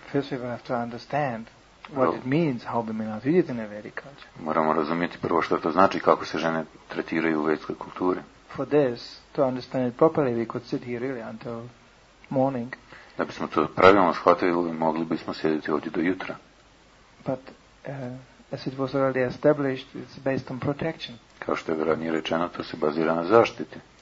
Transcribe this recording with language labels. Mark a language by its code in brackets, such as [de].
[en] first we have to understand what it means, how women are treated in a Vedic culture. [hr] Moramo razumjeti prvo što to znači, kako se žene tretiraju u vedskoj kulturi. [en] For this, to understand it properly, we could sit here really until morning. [hr] Da bismo to pravilno shvatili, mogli bismo sjediti ovdje do jutra. [en] But as it was already established, it's based on protection. [hr] Kao što je ranije rečeno, to se bazira na zaštiti.